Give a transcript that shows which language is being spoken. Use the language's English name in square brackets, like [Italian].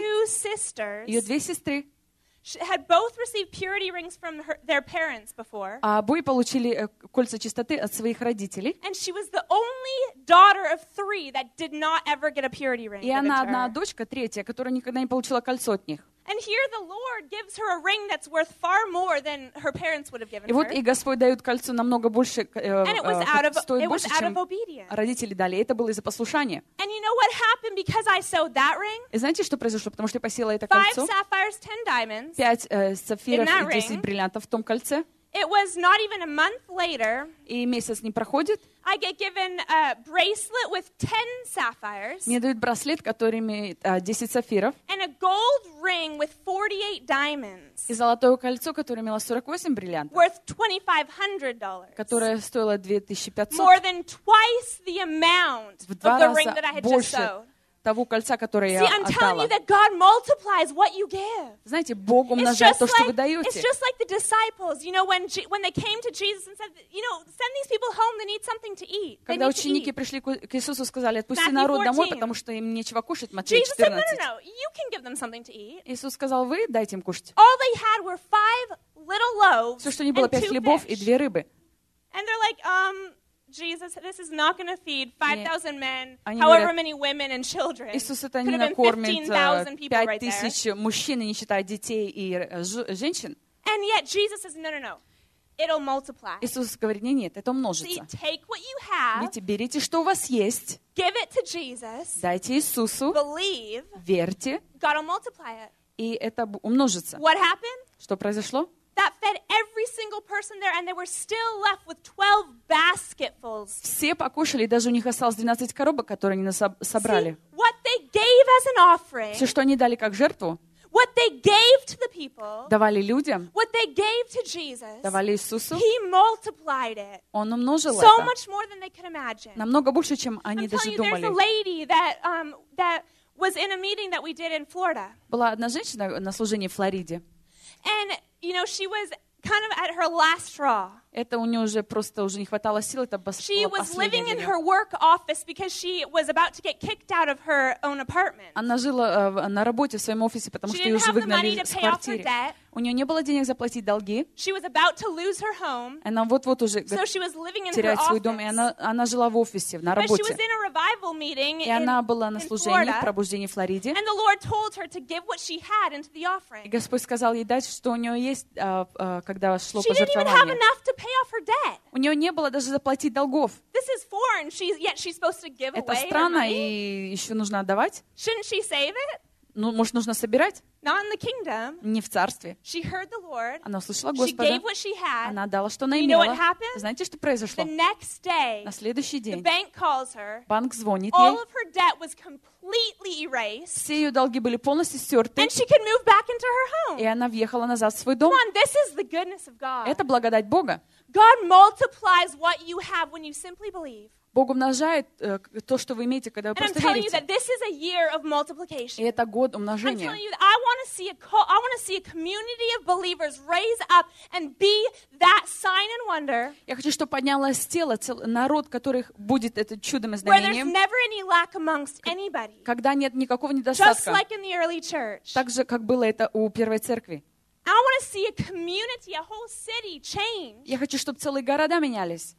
[English] Two sisters. [Russian] Её две сестры. [English] Had both received purity rings from her, their parents before. [Russian] А обе получили кольца чистоты от своих родителей. [English] And she was the only daughter of three that did not ever get a purity ring. [Russian] И она одна дочка третья, которая никогда не получила кольцо от них. [English] And here the Lord gives her a ring that's worth far more than her parents would have given her. [Russian] И вот и Господь дает кольцо намного больше, стоит больше, чем родители дали. Это было из-за послушания. [English] And you know what happened because I sold that ring? [Russian] И знаете, что произошло, потому что я посеяла это кольцо? [English] Five sapphires, 10 diamonds. [Russian] 5 сапфиров и 10 бриллиантов в том кольце. [English] It was not even a month later. [Russian] И месяц не проходит. [English] I get given a bracelet with 10 sapphires. [Russian] Мне дают браслет, который имеет 10 сапфиров. [English] And a gold ring with 48 diamonds. [Russian] И золотое кольцо, которое имело 48 бриллиантов. [English] Worth $2,500. [Russian] Которое стоило 2500. [English] More than twice the amount of the ring that I had just sold. [Russian] Того кольца, которое [English] See, [Russian] я [English] I'm [Russian] отдала. [English] Telling you that God multiplies what you give. [Russian] Знаете, Бог умножает то, что вы даете. [English] It's just like the disciples, you know, when they came to Jesus and said, you know, send these people home, they need something to eat. They [Russian] Когда ученики [English] eat. [Russian] Пришли к Иисусу, сказали, отпусти Matthew народ [English] 14. [Russian] Домой, потому что им нечего кушать. Матфея 14. [English] Jesus said, no, you can give them something to eat. [Russian] Иисус сказал, вы дайте им кушать. [English] All they had were five little loaves [Russian] Все, что не было, [English] and [Russian] пять хлебов [English] fish. [Russian] И две рыбы. [English] And they're like, Jesus, this is not going to feed 5,000 men, however many women and children. [Russian] Иисус это не накормит 5,000 мужчин, не считая детей и женщин. [English] And yet Jesus says, no, no, no, it'll multiply. [Russian] Иисус говорит, нет, нет, это умножится. [English] See, take what you have. [Russian] Видите, берите, что у вас есть. [English] Give it to Jesus. [Russian] Дайте Иисусу. [English] Believe. [Russian] Верьте. [English] God will multiply it. [Russian] И это умножится. [English] What happened? [Russian] Что произошло? [English] That fed every single person there, and they were still left with 12 basketfuls. [Russian] Все покушали, даже у них осталось 12 коробок, которые они собрали. [English] See, what they gave as an offering. [Russian] Все, что они дали как жертву. [English] What they gave to the people. [Russian] Давали людям. [English] What they gave to Jesus. [Russian] Давали Иисусу. [English] He multiplied it. [Russian] Он умножил [English] so [Russian] это. [English] Much more than they could imagine. [Russian] Намного больше, чем они [English] I'm [Russian] даже [English] telling you, [Russian] думали. [English] There's a lady that that was in a meeting that we did in Florida. [Russian] Была одна женщина на служении в Флориде. [English] And you know, she was kind of at her last straw. [Russian] Это у неё уже просто уже не хватало сил, это [English] было She was living in her work office because she was about to get kicked out of her own apartment. [Russian] Она жила на работе в своём офисе, потому что её уже выгнали из квартиры. У неё не было денег заплатить долги. [English] She was about to lose her home. [Russian] Она вот-вот уже терять свой дом, и она жила в офисе, на работе. [English] But she was in a revival meeting [Russian] И она была на служении, пробуждении в Флориде. [English] And the Lord told her to give what she had into the offering. [Russian] И Господь сказал ей дать, что у неё есть, когда шло пожертвование. [English] Pay off her debt. [Russian] У нее не было даже заплатить долгов. [English] This is foreign. She's supposed to give [Russian] Это [English] away [Russian] странно, [English] her money. [Russian] И еще нужно отдавать. [English] Shouldn't she save it? [Russian] Ну, может, нужно собирать? [English] Not in the kingdom. [Russian] Не в царстве. [English] She heard the Lord. [Russian] Она услышала Господа. [English] She gave what she had. [Russian] Она отдала, что она [English] you [Russian] имела. [English] Know what happened? [Russian] Знаете, что произошло? [English] The next day, [Russian] На следующий день [English] the bank calls her. [Russian] Банк звонит [English] All [Russian] ей. [English] All of her debt was completely erased. [Russian] Все ее долги были полностью стерты. [English] And she could move back into her home. [Russian] И она въехала назад в свой дом. [English] Come on, this is the goodness of God. [Russian] Это благодать Бога. [English] God multiplies what you have when you simply believe. [Russian] Бог умножает то, что вы имеете, когда вы [English] And [Russian] просто [English] I'm telling [Russian] верите. [English] You that this is a year of multiplication. [Russian] И это год умножения. [English] I'm telling you that I want to see a community of believers raise up and be that sign and wonder. [Russian] Я хочу, чтобы поднялось тело, народ, которых будет это чудом и знамением. [English] Where there's never any lack amongst anybody. [Russian] Когда нет никакого недостатка. [English] Just like in the early church. [Russian] Так же, как было это у первой церкви. [English] I want to see a community, a whole city change. [Russian] Я хочу, чтобы целые города менялись.